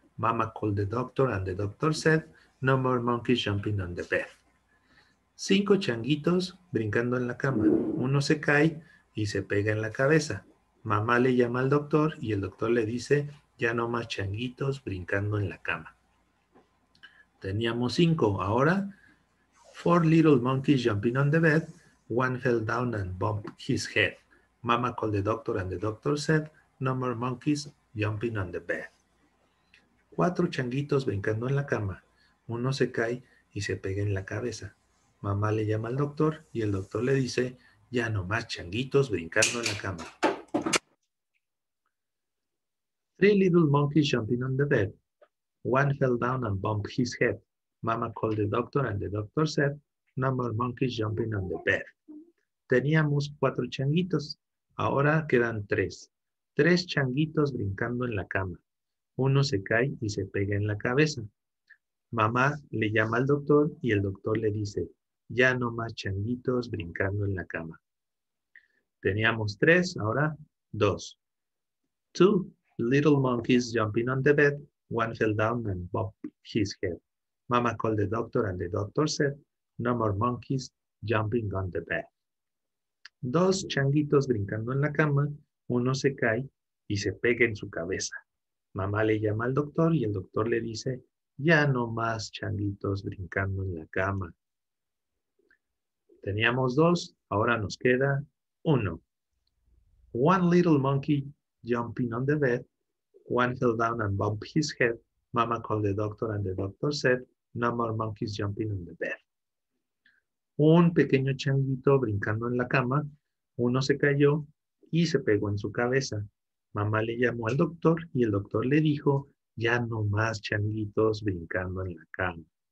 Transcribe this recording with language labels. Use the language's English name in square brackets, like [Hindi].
[English] Mama called the doctor and the doctor said, no more monkeys jumping on the bed. [Spanish] Cinco changuitos brincando en la cama. Uno se cae y se pega en la cabeza. Mamá le llama al doctor y el doctor le dice, ya no más changuitos brincando en la cama. Teníamos cinco. [English] Ahora, four little monkeys jumping on the bed. One fell down and bumped his head. Mama called the doctor and the doctor said, no more monkeys jumping on the bed. [Spanish] Cuatro changuitos brincando en la cama. Uno se cae y se pega en la cabeza. Mamá le llama al doctor y el doctor le dice, ya no más changuitos brincando en la cama. [English] Three little monkeys jumping on the bed. One fell down and bumped his head. Mama called the doctor and the doctor said, no more monkeys jumping on the bed. [Spanish] Teníamos cuatro changuitos. Ahora quedan tres. Tres changuitos brincando en la cama. Uno se cae y se pega en la cabeza. Mamá le llama al doctor y el doctor le dice, ya no más changuitos brincando en la cama. Teníamos tres, ahora dos. [English] Two little monkeys jumping on the bed. One fell down and bumped his head. Mama called the doctor and the doctor said, no more monkeys jumping on the bed. [Spanish] Dos changuitos brincando en la cama. Uno se cae y se pega en su cabeza. Mamá le llama al doctor y el doctor le dice, ya no más changuitos brincando en la cama. Teníamos dos, ahora nos queda uno. [English] One little monkey jumping on the bed. One fell down and bumped his head. Mama called the doctor and the doctor said, no more monkeys jumping on the bed. [Spanish] Un pequeño changuito brincando en la cama. Uno se cayó y se pegó en su cabeza. Mamá le llamó al doctor y el doctor le dijo, ya no más changuitos brincando en la cama.